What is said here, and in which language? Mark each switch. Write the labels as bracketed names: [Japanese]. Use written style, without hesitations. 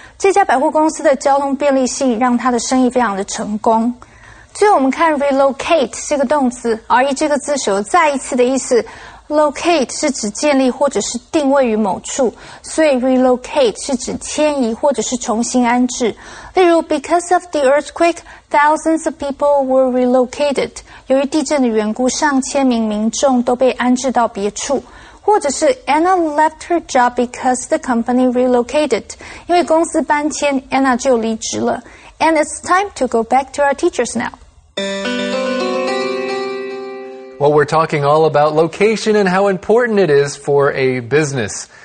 [Chinese] 这家百货公司的交通便利性让它的生意非常的成功。最后我们看relocate 这个动词, RE这个字首再一次的意思, locate 是指建立或者是定位于某处, 所以relocate 是指迁移或者是重新安置。例如, [English] because of the earthquake, thousands of people were relocated. [Chinese] 由于地震的缘故,上千名民众都被安置到别处。或者是, [English] Anna left her job because the company relocated. [Chinese] 因为公司搬迁, Anna就离职了。 [English] And it's time to go back to our teachers now. Well, we're talking all about location and how important it is for a business.